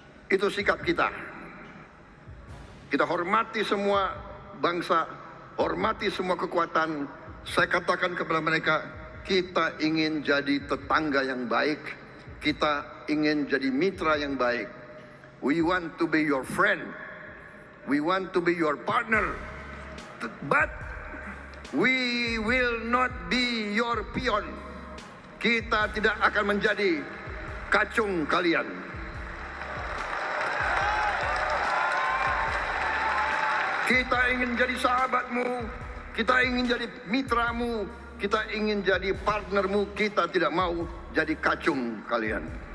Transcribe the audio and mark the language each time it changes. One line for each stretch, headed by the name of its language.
Indonesian: Itu sikap kita. Kita hormati semua bangsa, hormati semua kekuatan. Saya katakan kepada mereka, kita ingin jadi tetangga yang baik. Kita ingin jadi mitra yang baik.
English: We want to be your friend. We want to be your partner. But we will not be your pion.
Indonesian: Kita tidak akan menjadi kacung kalian. Kita ingin jadi sahabatmu, kita ingin jadi mitramu, kita ingin jadi partnermu, kita tidak mau jadi kacung kalian.